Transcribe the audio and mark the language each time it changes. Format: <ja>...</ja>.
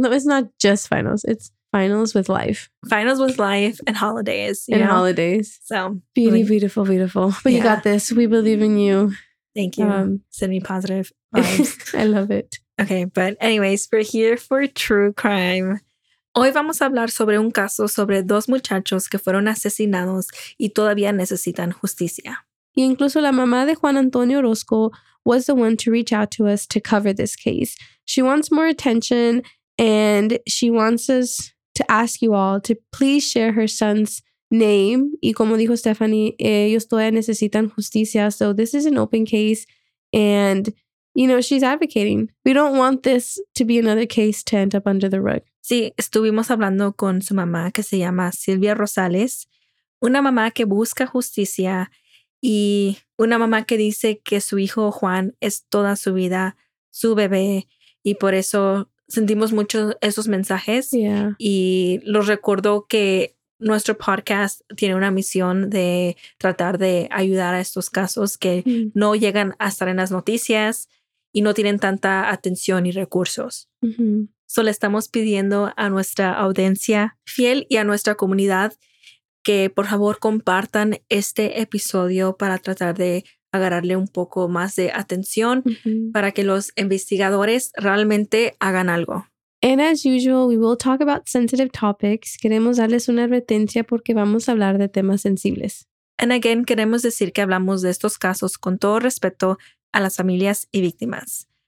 <en>No, it's not just finals. It's finals with life. Finals with life and holidays. You know? So beautiful. But you got this. We believe in you. Thank you. Send me positive vibes. I love it. Okay, but anyways, we're here for true crime.</en> <es>Hoy vamos a hablar sobre un caso sobre dos muchachos que fueron asesinados y todavía necesitan justicia. Y incluso la mamá de</es> <en>Juan Antonio Orozco was the one to reach out to us to cover this case. She wants more attention and she wants us to ask you all to please share her son's name.</en> <es>Y como dijo Stephanie, ellos todavía necesitan justicia.</es> <en>So this is an open case and... You know, she's advocating. We don't want this to be another case to end up under the rug.</en> <es>Sí, estuvimos hablando con su mamá, que se llama Silvia Rosales. Una mamá que busca justicia y una mamá que dice que su hijo Juan es toda su vida, su bebé. Y por eso sentimos mucho esos mensajes.</es> <en>Yeah.</en> <es>Y los recordó que nuestro podcast tiene una misión de tratar de ayudar a estos casos que no llegan a estar en las noticias y no tienen tanta atención y recursos. Mm-hmm. So le estamos pidiendo a nuestra audiencia fiel y a nuestra comunidad que por favor compartan este episodio para tratar de agarrarle un poco más de atención para que los investigadores realmente hagan algo.</es> <en>And as usual, we will talk about sensitive topics.</en> <es>Queremos darles una advertencia porque vamos a hablar de temas sensibles.</es> <en>And again,</en> <es>queremos decir que hablamos de estos casos con todo respeto a las familias y víctimas.</es>